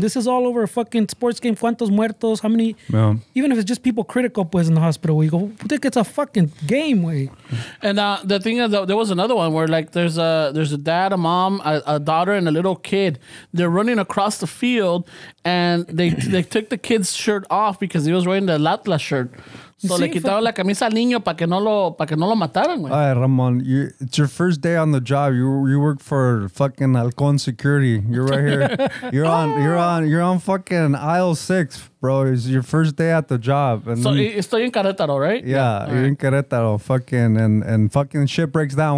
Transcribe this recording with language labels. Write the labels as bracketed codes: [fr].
[en] This is all over a fucking sports game. [es] ¿Cuántos muertos? [en] How many? Even if it's just people critical, pues, in the hospital, we go, I think it's a fucking game, way. And the thing is, there was another one where, like, there's a dad, a mom, a daughter, and a little kid. They're running across the field, and they took the kid's shirt off because he was wearing the Atlas shirt. [es] So le quitaron la camisa al niño para que no lo mataran, güey. [en] Ay, Ramon, it's your first day on the job. You work for fucking Halcón Security. You're right here. you're on fucking aisle 6, bro. It's your first day at the job. And so [es] estoy en [en] Querétaro, right? Yeah, yeah. You're in Querétaro. Fucking and fucking shit breaks down.